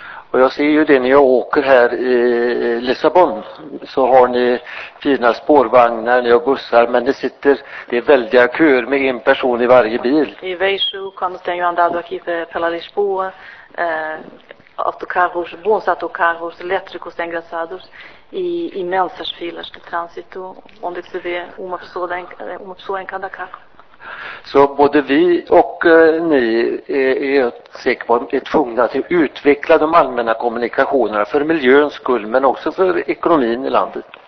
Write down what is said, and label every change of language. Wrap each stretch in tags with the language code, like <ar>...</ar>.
<sv>Och jag ser ju det när jag åker här i Lissabon, så har ni fina spårvagnar, ni har bussar, men det sitter, det är väldiga köer med en person i varje bil.</sv> <pt>I vejo quando tenho andado aqui pela Lisboa, autocarros, bons autocarros elétricos engraçados e imensas filas de trânsito onde se vê uma pessoa em cada carro.</pt> <sv>Så både vi och ni är säkert är tvungna att utveckla de allmänna kommunikationerna för miljöns skull, men också för ekonomin i landet.</sv>